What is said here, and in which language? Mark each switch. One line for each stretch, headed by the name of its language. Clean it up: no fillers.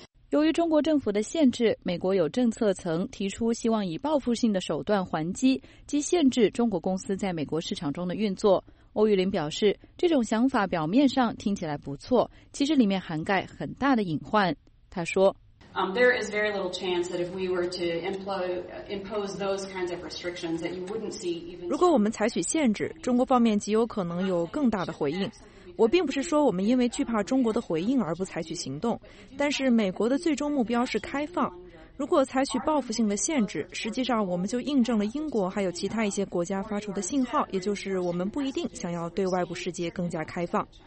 Chinese: 由于中国政府的限制，美国有政策层提出希望以报复性的手段还击，即限制中国公司在美国市场中的运作。欧玉林表示，这种想法表面上听起来不错，其实里面涵盖很大的隐患。他说
English: There is very little chance that if we were to impose those kinds of restrictions that you wouldn't see even
Chinese: 如果我们采取限制，中国方面极有可能有更大的回应。我并不是说我们因为惧怕中国的回应而不采取行动，但是美国的最终目标是开放。如果采取报复性的限制，实际上我们就印证了英国还有其他一些国家发出的信号，也就是我们不一定想要对外部世界更加开放。